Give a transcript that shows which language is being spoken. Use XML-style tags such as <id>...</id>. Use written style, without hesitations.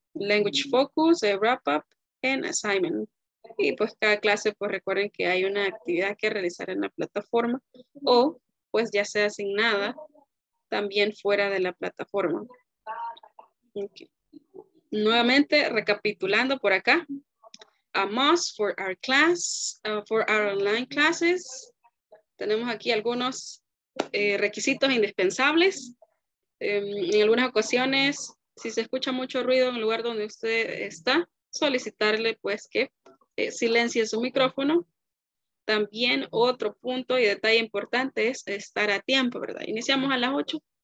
<en>Language focus, wrap-up and assignment.</en> <es>Y pues cada clase, pues recuerden que hay una actividad que realizar en la plataforma o pues ya sea asignada también fuera de la plataforma. Okay. Nuevamente, recapitulando por acá.</es> <en>A must for our class, for our online classes.</en> <es>Tenemos aquí algunos requisitos indispensables. En algunas ocasiones, si se escucha mucho ruido en el lugar donde usted está, solicitarle pues que silencie su micrófono. También otro punto y detalle importante es estar a tiempo, ¿verdad? Iniciamos a las 8.</es>